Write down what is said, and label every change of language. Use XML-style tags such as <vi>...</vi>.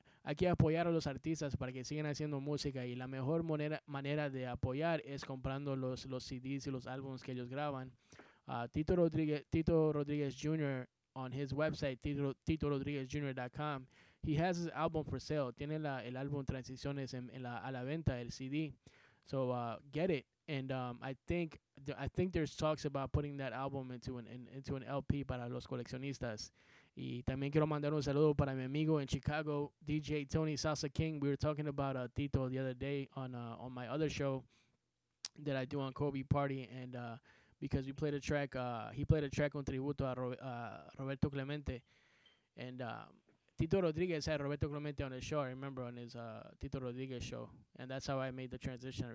<es>Hay que apoyar a los artistas para que sigan haciendo música, y la mejor manera de apoyar es comprando los CDs y los álbumes que ellos graban.</es> <en>Tito Rodríguez Jr., on his website, TitoRodríguezJr.com, he has his album for sale.</en> <es>Tiene el álbum Transiciones a la venta, el CD.</es> <en>So get it. And I think there's talks about putting that album into an LP</en> <es>para los coleccionistas. Y también quiero mandar un saludo para mi amigo en Chicago, DJ Tony Salsa King.</es> <en>We were talking about Tito the other day on my other show that I do on Kobe Party, and because we played a track, he played a track on Tributo a Roberto Clemente, and Tito Rodríguez had Roberto Clemente on his show. I remember on his Tito Rodríguez show, and that's how I made the transition.</en>